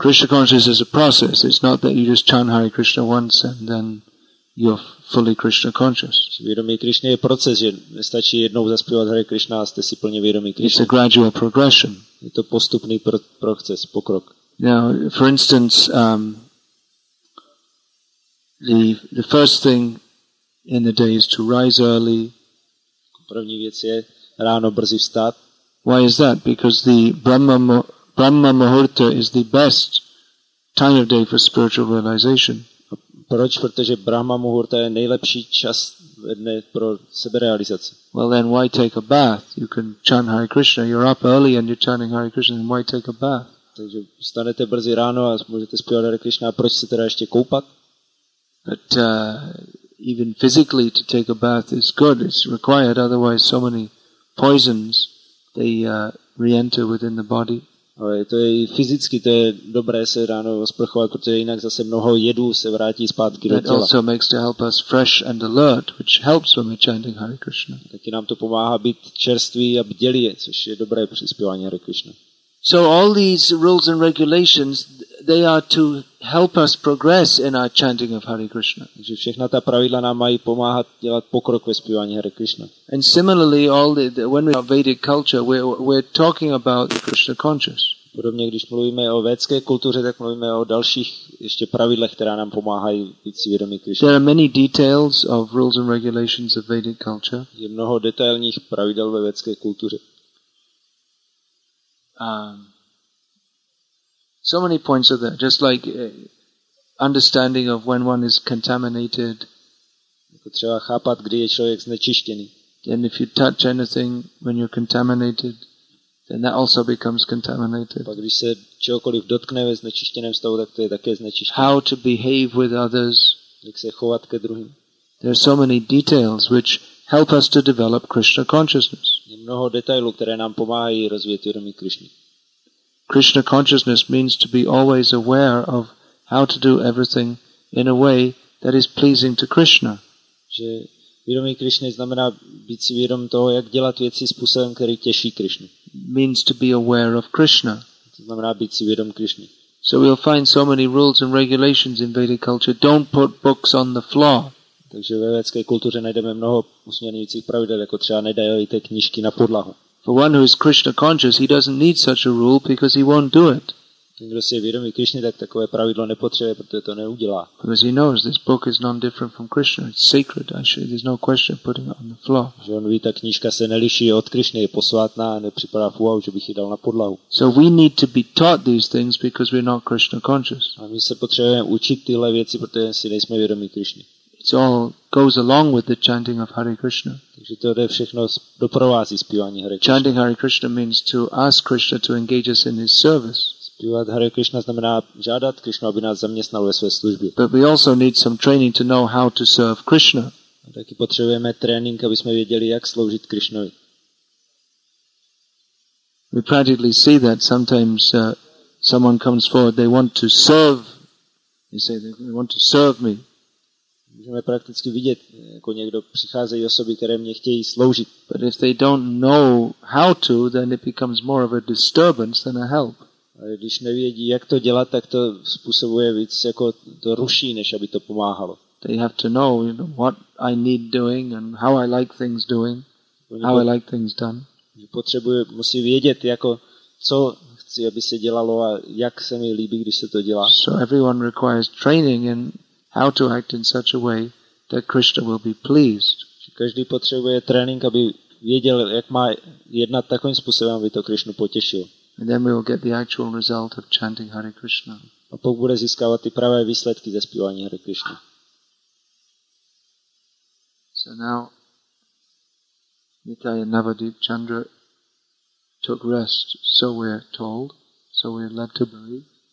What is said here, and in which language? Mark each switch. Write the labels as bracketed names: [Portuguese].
[English] Krishna consciousness is a process. It's not that you just chant Hare Krishna once and then you're fully Krishna conscious. [Czech] Vědomí Krishna je proces, že nestačí jednou zaspívat Hare Krishna a jste si plně vědomí Krishna. [English] It's a gradual progression. [Czech] Je to postupný proces, pokrok. [English] Now, for instance, the first thing in the day is to rise early, [Czech] První věc je ráno brzy vstát. [English] Why is that? Because the Brahma Muhurta is the best time of day for spiritual realization. [Czech] Proč? Protože Brahma Muhurta je nejlepší čas ve dne pro seberealizaci. [English] Well then, why take a bath? You can chant Hare Krishna. You're up early and you're chanting Hare Krishna. Then why take a bath? [Czech] Takže vstanete brzy ráno a můžete zpívat Hare Krishna. A proč se teda ještě koupat? [English] But even physically to take a bath is good. It's required. Otherwise, so many poisons they re-enter within the body. [Czech] Ale to je fyzicky, to je dobré se ráno osprchovat, protože jinak zase mnoho jedů se vrátí zpátky do těla. [English] Also makes to help us fresh and alert, which helps when we're chanting Hare Krishna. [Czech] Taky nám to pomáhá být čerstvý a bdělý, což je dobré při zpívání Hare Krishna. [English] So all these rules and regulations, they are to help us progress in our chanting of Hare Krishna. [Czech] Takže všechna ta pravidla nám mají pomáhat dělat pokrok ve zpívání Hare Krishna. [English] And similarly, all the when we are Vedic culture, we're talking about Krishna consciousness. [Czech] Podobně, když mluvíme o védské kultuře, tak mluvíme o dalších ještě pravidlech, která nám pomáhají být si vědomí Krishna. [English] There are many details of rules and regulations of Vedic culture. [Czech] Je mnoho detailních pravidel ve védské kultuře. [English] So many points are there, just like understanding of when one is contaminated. [Czech] Jako třeba chápat, kdy je člověk znečištěný. [English] Then if you touch anything when you're contaminated, then that also becomes contaminated. [Czech] Pak když se čehokoliv dotkne ve znečištěném stavu, tak to je také znečištěné. [English] How to behave with others. [Czech] Jak se chovat ke druhým. [English] There are so many details which help us to develop Krishna consciousness. [Czech] Je mnoho detailů, které nám pomáhají rozvíjet vědomí Krishny. [English] Krishna consciousness means to be always aware of how to do everything in a way that is pleasing to Krishna. [Czech] Že vědomí Krishny znamená být si vědom toho, jak dělat věci způsobem, který těší Krishnu. [English] Means to be aware of Krishna. [Czech] To znamená být si vědom Krishny. [English] So we'll find so many rules and regulations in Vedic culture. Don't put books on the floor. [Czech] Takže ve vědecké kultuře najdeme mnoho usměrňujících pravidel, jako třeba nedajte knížky na podlahu. [English] For one who is Krishna conscious, he doesn't need such a rule because he won't do it. [Czech] Kdo si je vědomý Krishny, tak takové pravidlo nepotřebuje, protože to neudělá. [English] Because he knows this book is non-different from Krishna. It's sacred. Actually, there's no question of putting it on the floor. [Czech] Že on ví, ta knížka se neliší od Krishny, je posvátná a nepřipadá v úvahu, že bych ji dal na podlahu. [English] So we need to be taught these things because we're not Krishna conscious. [Czech] A my se potřebujeme učit tyhle věci, protože si nejsme vědomí Krishny. [English] It all goes along with the chanting of Hare Krishna. [Czech] Takže to je všechno doprovází zpívání Hare Krishna. [English] Chanting Hare Krishna means to ask Krishna to engage us in his service. [Czech] Zpívat Hare Krishna znamená žádat Krishna, aby nás zaměstnal ve své službě. [English] But we also need some training to know how to serve Krishna. [Czech] A taky potřebujeme trénink, aby jsme věděli, jak sloužit Krishnovi. [English] We practically see that sometimes someone comes forward, they want to serve. They say they want to serve me. [Czech] Můžeme prakticky vidět, jako někdo přicházejí osoby, které mě chtějí sloužit. [English] But if they don't know how to, then it becomes more of a disturbance than a help. [Czech] A když nevědí, jak to dělat, tak to způsobuje víc, jako to ruší, než aby to pomáhalo. [English] They have to know, you know, what I need doing and how I like things doing, how I like things done. [Czech] Potřebuje, musí vědět, jako co chci, aby se dělalo a jak se mi líbí, když se to dělá. [English] So everyone requires training in how to act in such a way that Krishna will be pleased. [Czech] Každý potřebuje trénink, aby věděl, jak má jednat takovým způsobem, aby to Krishnu potěšil. [English] And then we will get the actual result of chanting Hare Krishna. [Czech] A pak bude získávat ty pravé výsledky ze zpívání Hare Krishna. [English] So now Nitya Navadip Chandra took rest, so we're told, so we're led to believe.